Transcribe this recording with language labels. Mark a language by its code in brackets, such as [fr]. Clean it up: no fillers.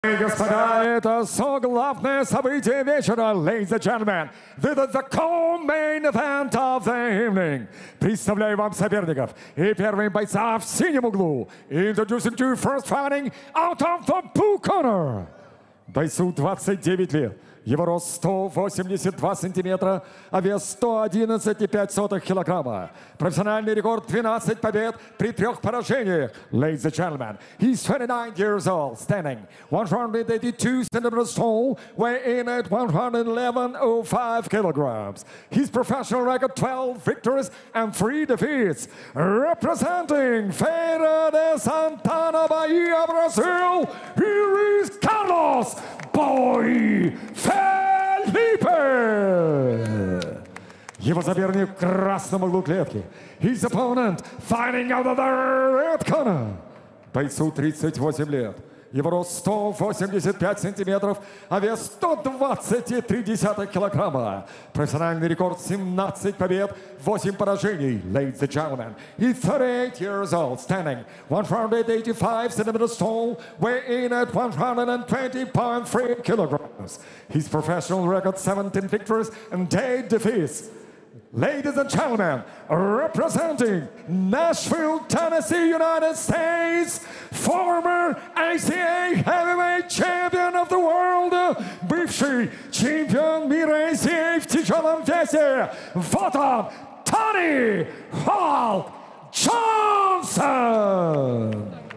[ru] Господа, это соглавное событие вечера, [en] ladies and gentlemen. This is the co-main event of the evening. [ru] Представляю вам соперников и первые бойца в синем углу. [en] Introducing to you first fighting out of the blue corner. [ru] Бойцу 29 лет. Его рост 182 сантиметра, а вес 111,5 килограмма. Профессиональный рекорд 12 побед при 3 поражениях. [en] Ladies and gentlemen, he's 29 years old, standing 182 centimeters tall, weighing at 111.05 kilograms. His professional record 12 victories and 3 defeats. Representing Feira de Santana, Bahia, Brazil, here is Carlos Boy Felipe. [ru] Его соперник в красном углу клетки. [en] His opponent fighting out of the red corner. [ru] Бойцу 38 лет. Его рост 185 сантиметров, а вес 123 килограмма. Профессиональный рекорд 17 побед, 8 поражений. [en] Ladies and gentlemen, he's 38 years old, standing 185 centimeters tall, weighing at 120.3 kilograms. His professional record 17 victories and 8 defeats. Ladies and gentlemen, representing Nashville, Tennessee, United States, former ACA Heavyweight Champion of the World, [ru] бывший чемпион мира ACA в тяжелом весе, вот он, Тони Холл Джонсон!